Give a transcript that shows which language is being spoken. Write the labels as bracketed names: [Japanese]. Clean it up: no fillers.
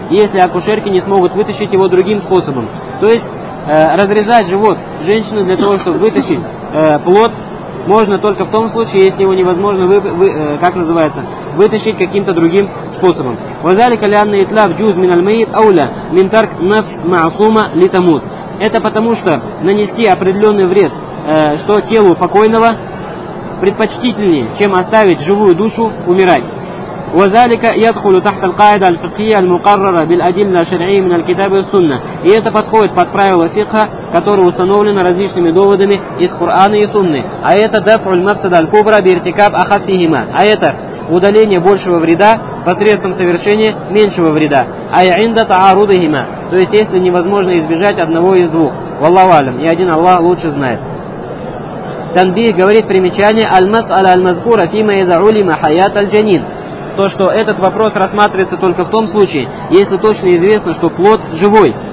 [Russian] Если акушерки не смогут вытащить его другим способом. То есть, разрезать живот женщины для того, чтобы вытащить плод, можно только в том случае, если его невозможно вытащить каким-то другим способом. [Arabic] وَذَلِكَ لِأَنَّ إِتْلَافَ جُزْءٍ مِنَ الْمَيِّتِ أَوْلَى مِنْ تَرْكِ نَفْسٍ مَعْصُومَةٍ لِتَمُوتَ. [Russian] Это потому, что нанести определенный вред, что телу покойного, предпочтительнее, чем оставить живую душу умирать. [Arabic] وذلك يدخل تحت القاعدة الفقهية المقررة بالأدلة الشرعية من الكتاب والسنة. [Russian] И это подходит под правило фикха, которое установлено различными доводами из Корана и Сунны. А это [Arabic] دفع المفسدة الكبرى بارتكاب أخفيهما. [Russian] А это удаление большего вреда посредством совершения меньшего вреда. [Arabic] А عند تعارضهما. [Russian] То есть если невозможно избежать одного из двух. [Arabic] والله أعلم. [Russian] И один Аллах лучше знает. [Arabic] تنبيه [Russian] говорит примечание [Arabic] المسألة المذكورة فيما إذا علم حياة الجنين. [Russian] То, что этот вопрос рассматривается только в том случае, если точно известно, что плод живой.